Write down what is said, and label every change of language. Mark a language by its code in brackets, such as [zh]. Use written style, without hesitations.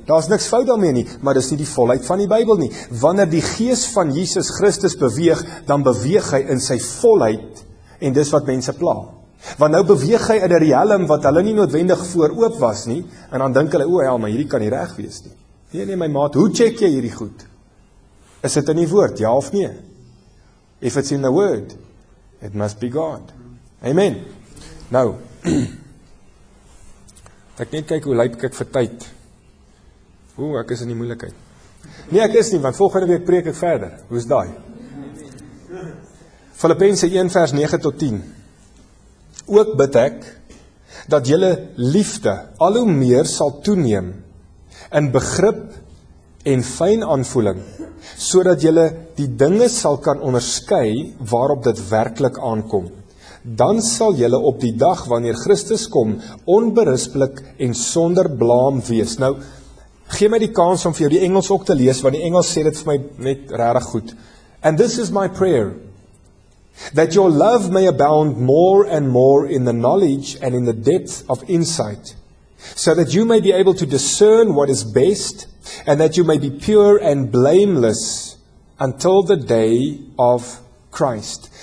[af] Daar is niks fout daarmee nie, maar dis nie die volheid van die Bybel nie. Wanneer die gees van Jesus Christus beweeg, dan beweeg hy in sy volheid en dis wat mense pla. Want nou beweeg hy in 'n realm wat hulle nie noodwendig voor oop was nie, en dan dink hulle, o, ja, maar hierdie kan nie reg wees nie. Nee, nee, my maat, hoe check jy hierdie goed? Is dit in die woord, ja of nee? [en] If it's in the word, it must be God. [af] Amen. Nou, ek net kyk hoe lyk ek vir tyd. Oeh, ek is in die moeilikheid. Nee, ek is nie, want volgende week preek ek verder. Hoe is daai? Filippense 1 vers 9 tot 10. Ook bid ek, dat julle liefde al hoe meer sal toeneem, in begrip en fyn aanvoeling, sodat julle die dinge sal kan onderskei waarop dit werklik aankom. Dan sal julle op die dag wanneer Christus kom onberispelik en sonder blaam wees. Nou, gee my die kans om vir jou die Engels ook te lees, want die Engels sê dit vir my net regtig goed. [en] And this is my prayer, that your love may abound more and more in the knowledge and in the depth of insight, so that you may be able to discern what is best, and that you may be pure and blameless until the day of Christ.